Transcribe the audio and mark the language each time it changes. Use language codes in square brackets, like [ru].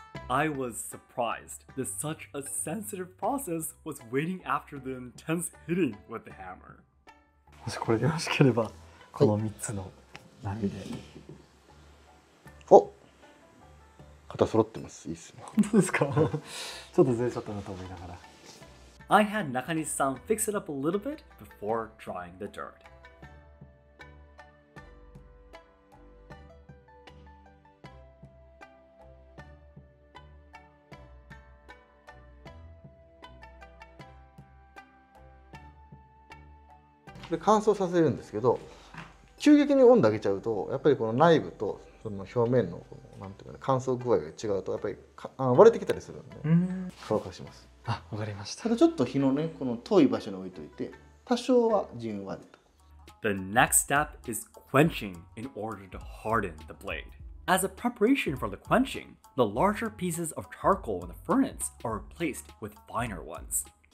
[en] I was surprised that such a sensitive process was waiting after the intense hitting with the hammer. [ja] もしこれでよろしければ、この3つの波で。肩揃ってます。いいっすね。本当ですか。ちょっとずれちゃったなと思いながら。 [en] I had Nakanishi-san fix it up a little bit before drying the dirt. [ja] で乾燥させるんですけど、急激に温度上げちゃうと、やっぱりこの内部と。その表面 の, このなんていうか、ね、乾燥具合が違うとやっぱりあ割れてきたりするんで、うん、乾かします。あ、わかりました。ただちょっと火のねこの遠い場所に置いといて多少はじんわりと。 [en] The next step is quenching in order to harden the blade. As a preparation for the quenching, the larger pieces of charcoal in the furnace are replaced with finer ones.